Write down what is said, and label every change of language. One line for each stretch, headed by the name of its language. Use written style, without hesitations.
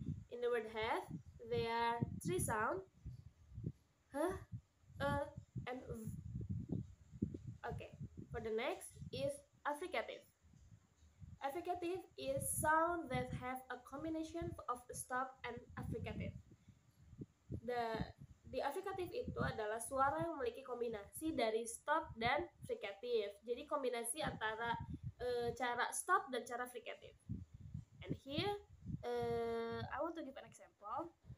English: In the word have, there are three sounds: h, e, and v. Okay. For the next is affricative. Affricative is sound that have a combination of stop and affricative.
Indonesian: The affricative itu adalah suara yang memiliki kombinasi dari stop dan fricative. Jadi kombinasi antara cara stop dan cara fricative. And here, I want to give an example.